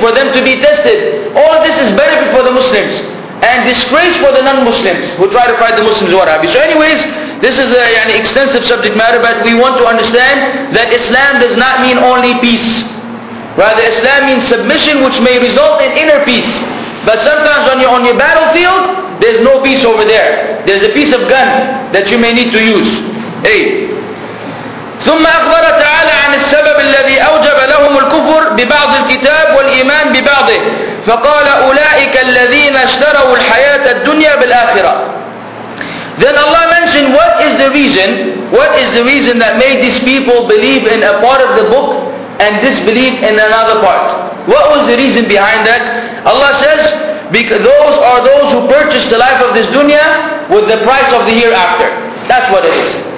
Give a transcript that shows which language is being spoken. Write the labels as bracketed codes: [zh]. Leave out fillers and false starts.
[en] For them to be tested. All this is benefit for the Muslims. And disgrace for the non-Muslims who try to fight the Muslims or Arabi. So anyways, this is an extensive subject matter. But we want to understand that Islam does not mean only peace. Rather, Islam means submission, which may result in inner peace. But sometimes on your battlefield, there's no peace over there. There's a piece of gun that you may need to use. Hey. [ar] ثم أخبر تعالى عن السبب الذي أوجب لهم الكفر ببعض الكتاب والإيمان ببعضه. فقال أولئك الذين اشتروا الحياة الدنيا بالآخرة. [en] Then Allah mentioned what is the reason? What is the reason that made these people believe in a part of the book and disbelieve in another part? What was the reason behind that? Allah says, because those are those who purchase the life of this dunya with the price of the hereafter. That's what it is.